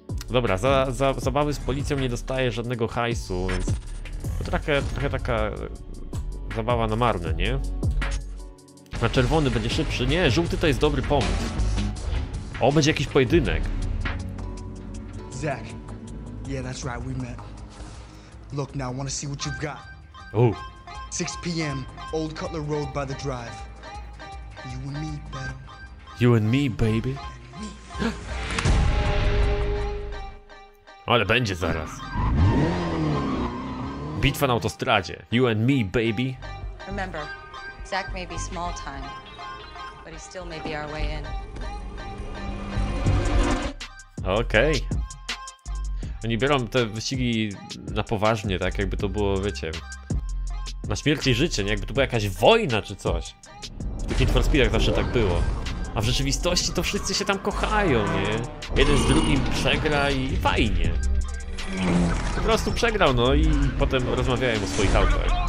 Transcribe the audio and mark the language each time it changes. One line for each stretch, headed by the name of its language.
Polish: Dobra, za zabawy z policją nie dostaję żadnego hajsu, więc to trochę taka zabawa na marne, nie? Na czerwony będzie szybszy. Nie, żółty to jest dobry pomysł. O, będzie jakiś pojedynek.
English: Zach, yeah, that's right, we met. Look, now I want to see what you've got. Ooh. 6 p.m. Old Cutler Road by the drive. You and me, baby. You and me, baby.
Polish: Ale będzie zaraz. Bitwa na autostradzie.
English: You and me, baby. Remember, Zach may be small time, but he still may be our way in.
Polish: Okej. Okay. Oni biorą te wyścigi na poważnie, tak jakby to było, wiecie, na śmierć i życie, nie? Jakby to była jakaś wojna czy coś. W tych Need for Speedach zawsze tak było. A w rzeczywistości to wszyscy się tam kochają, nie? Jeden z drugim przegra i fajnie. Po prostu przegrał, no i potem rozmawiają o swoich autach.